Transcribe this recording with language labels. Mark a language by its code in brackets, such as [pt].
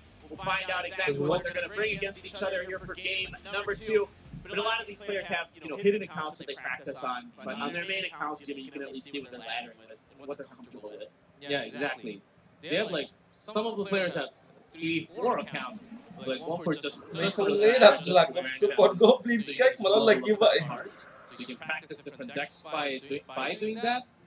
[en] We'll find out exactly what they're going to bring against each other here for game number 2. But a lot of these players have hidden accounts that they practice on. But on their main accounts, you can at least see what they're laddering with it and what they're comfortable with it. Yeah, exactly. They have like, some of the players have 3-4 accounts, like one for just [vi] mình không nghĩ đặt là cái con goblin cách mà nó lệch như vậy. [en] You can practice different decks by doing that.